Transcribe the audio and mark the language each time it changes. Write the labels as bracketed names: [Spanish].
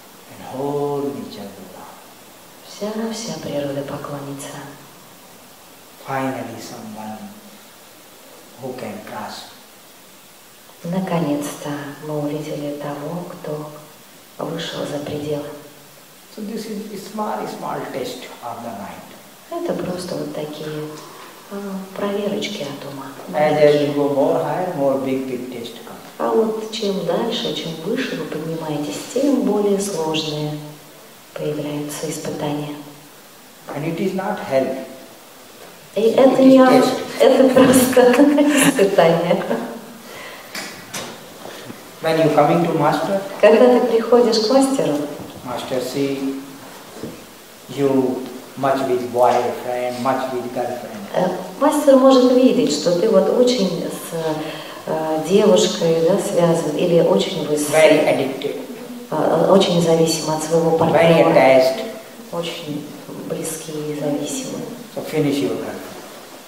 [English] And whole nature will love. [Russian] Вся природа поклонится. [English] Finally, someone. Who can grasp? [Russian] Наконец-то мы увидели того, кто вышел за пределы. [English] So this is a small test of the mind. [Russian] Это просто вот такие проверочки от ума. [English] And as you go more higher, more big test comes. [Russian] А вот чем дальше, чем выше вы поднимаетесь, тем более сложные появляются испытания. [English] And it is not hell. [Russian] И это не это просто испытание. [English] When you coming to master, [Russian] когда ты приходишь к мастеру, [English] master see you much with boyfriend, much with girlfriend. [Russian] Мастер может видеть, что ты вот очень с девушкой, да, связан, или очень высокий. [English] Very addicted. [Russian] Очень зависим от своего партнера. [English] Very attached. [Russian] Очень близкий и зависимый. [English] So finish your girlfriend.